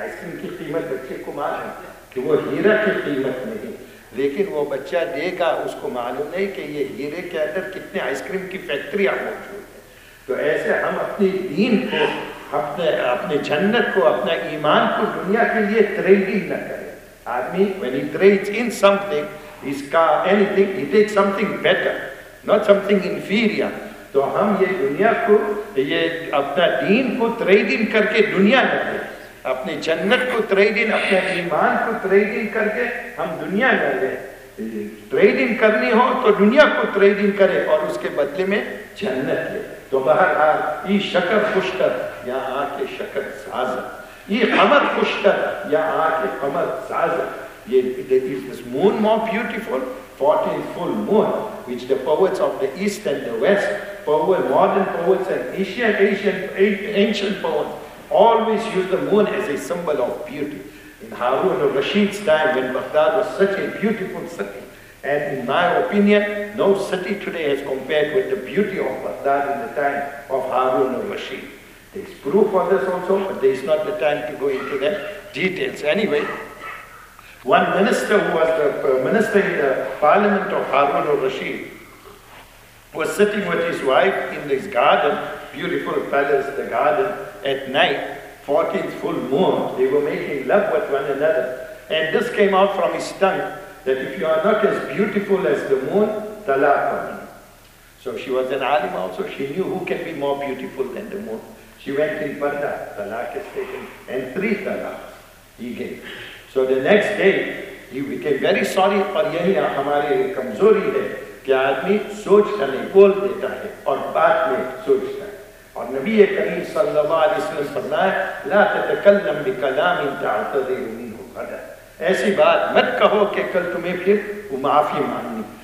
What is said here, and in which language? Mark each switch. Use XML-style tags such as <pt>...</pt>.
<hi>Ice cream की कीमत बच्चे को मालूम है कि वो हीरा की कीमत नहीं, लेकिन वो बच्चा देगा, उसको मालूम नहीं कि ये हीरे के अंदर कितने आइसक्रीम की फैक्ट्रियां मौजूद है। तो ऐसे हम अपनी दीन को, अपने अपने जन्नत को, अपना ईमान को दुनिया के लिए ट्रेडिंग न करें।</hi> <en>आदमी when he trades in something, his car, anything, he takes something better, not something inferior.</en> <hi>तो हम ये दुनिया को, ये अपना दीन को ट्रेडिंग करके दुनिया न ले, अपने जन्नत को ट्रेडिंग, अपने ईमान को ट्रेडिंग करके हम दुनिया न ले। ट्रेडिंग करनी हो तो दुनिया को ट्रेडिंग करे और उसके बदले में जन्नत ले। तो बहरहाल ये शकर पुष्कर, या आके शकर साजा, ये कमर पुष्कर, या आके कमर साजा।</hi> <en>Ye, is this moon more beautiful? 14th full moon, which the poets of the East and the West, modern poets and ancient poets, always use the moon as a symbol of beauty. In Harun al-Rashid's time, when Baghdad was such a beautiful city, and in my opinion, no city today has compared with the beauty of Baghdad in the time of Harun al-Rashid. There is proof of this also, but there is not the time to go into the details. Anyway, one minister who was the minister in the parliament of Harun al-Rashid was sitting with his wife in this garden, beautiful palace, the garden, at night, 14th full moon. They were making love with one another. And this came out from his tongue, that if you are not as beautiful as the moon, talaqa me. So she was an alim also. She knew who can be more beautiful than the moon. She went in parda, talaq is taken, and three talaqs he gave. So the next day, he became very sorry,</en> <hi>और यही हमारी कमजोरी है कि आदमी सोचता नहीं, बोल देता है और बात में सोचता है। और नबी करीम सल्लल्लाहु अलैहि वसल्लम फरमाए,</hi> <ar>ला तकल्लम बिकलामिन तअतज़िरुनी हु गदा,</ar> <hi>ऐसी बात मत कहो कि कल तुम्हें फिर वो माफी मांगनी।</hi>